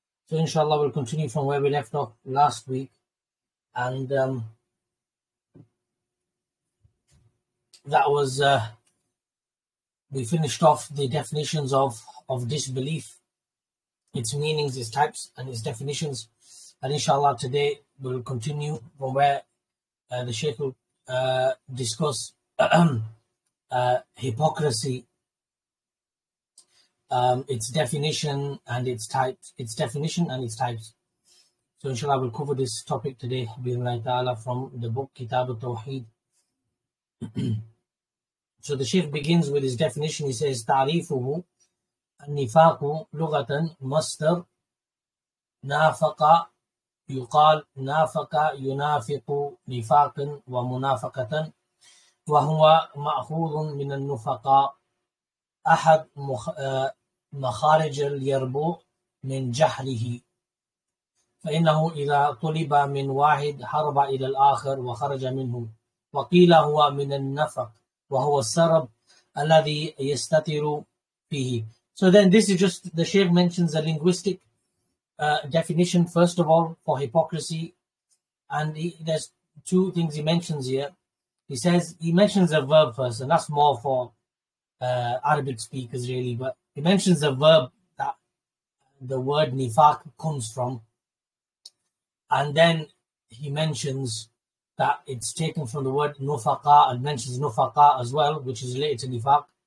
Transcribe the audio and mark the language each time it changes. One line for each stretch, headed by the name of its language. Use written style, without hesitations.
English: So inshallah we'll continue from where we left off last week and that was we finished off the definitions of disbelief its meanings, its types, and its definitions. And inshallah, today we'll continue from where the Shaykh will discuss hypocrisy, its definition and its types, its definition and its types. So inshallah, we'll cover this topic today, bi'inna ta'ala, from the book Kitab At-Tawheed. So the Shaykh begins with his definition. He says, ta'rifuhu.
Arabic: النفاق لغة مصدر نافق يقال نافق ينافق نفاقا ومنافقة وهو مأخوذ من النفقاء أحد مخارج اليربوع من جحره فإنه إذا طلب من واحد هرب إلى الآخر وخرج منه وقيل هو من النفق وهو السرب الذي يستتر به
English: So then this is just, the Shaykh mentions a linguistic definition, first of all, for hypocrisy. And there's two things he mentions here. He says, he mentions a verb first, and that's more for Arabic speakers, really. But he mentions a verb that the word nifaq comes from. And then he mentions that it's taken from the word nufaqa, and mentions nufaqa as well, which is related to nifaq.